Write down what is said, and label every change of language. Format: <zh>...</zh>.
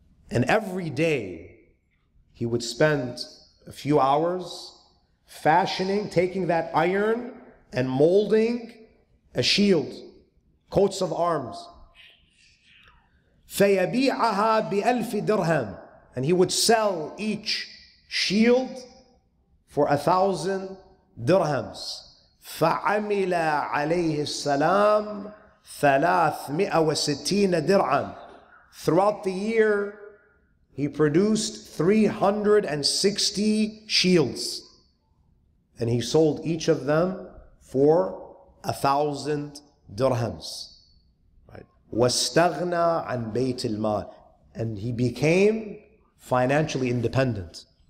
<en>And every day, he would spend a few hours fashioning, taking that iron and molding a shield, coats of arms.</en> <ar>فَيَبِيعَهَا بِأَلْفِ دِرْهَمٍ</ar> <en>And he would sell each shield for 1,000 dirhams.</en> <ar>فَعَمِلَ عَلَيْهِ السَّلَامُ 360 dirham.</ar> <en>Throughout the year, he produced 360 shields. And he sold each of them for 1,000 dirhams.</en> <ar>وَاسْتَغْنَى عَنْ بَيْتِ الْمَالِ</ar> <en>And he became financially independent.</en>